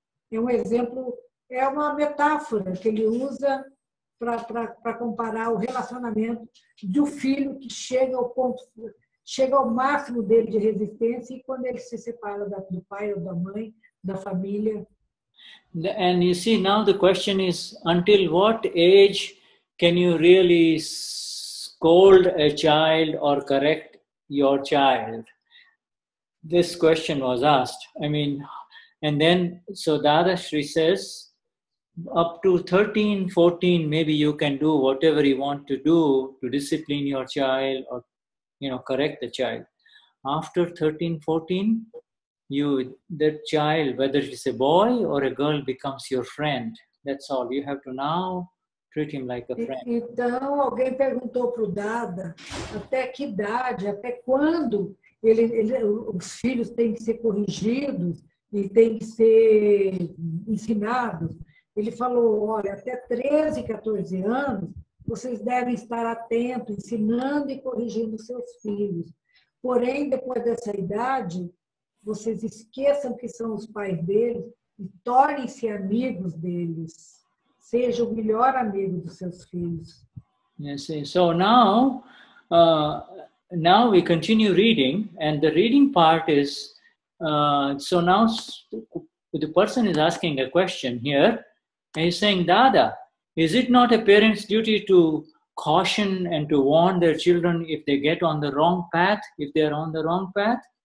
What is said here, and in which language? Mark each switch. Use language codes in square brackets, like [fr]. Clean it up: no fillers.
[pt] É um exemplo, é uma metáfora que ele usa para comparar o relacionamento do filho que chega ao ponto, chega ao máximo dele de resistência e quando ele se separa do pai ou da mãe, da família. [en] And you see, now the question is, until what age can you really scold a child or correct your child? This question was asked. I mean, and then, so Dadashri says, up to 13, 14, maybe you can do whatever you want to do to discipline your child or, you know, correct the child. After 13, 14, that child, whether it's a boy or a girl, becomes your friend. That's all. You have to now treat him like a friend. [pt] Então, alguém perguntou pro Dada, até que idade, até quando os filhos têm que ser corrigidos e têm que ser ensinados. Ele falou, olha, até 13, 14 anos, vocês devem estar atentos, ensinando e corrigindo seus filhos. Porém, depois dessa idade, vocês esqueçam que são os pais deles e tornem-se amigos deles. Seja o melhor amigo dos seus filhos. [en] Yes, so now we continue reading, and the reading part is, so now the person is asking a question here. And he's saying, Dada, is it not a parent's duty to caution and to warn their children if they get on the wrong path, if they're on the wrong path?